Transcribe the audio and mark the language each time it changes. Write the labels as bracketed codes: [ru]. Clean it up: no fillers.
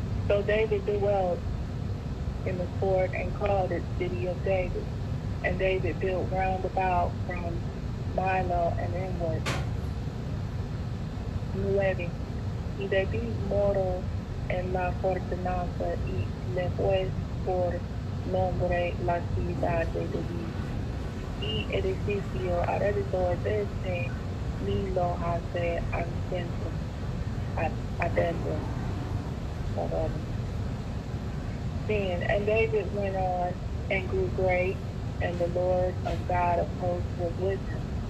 [en] So David dwelt in the fort and called it City of David. And David built round about from Milo and inward. 9. [es] Y David moró en la fortaleza y le fue por nombre la ciudad de David. Y edificio alrededor de este Milo hace al centro, adentro. 10. [en] And David went on and grew great, and the Lord of God of hosts was with him.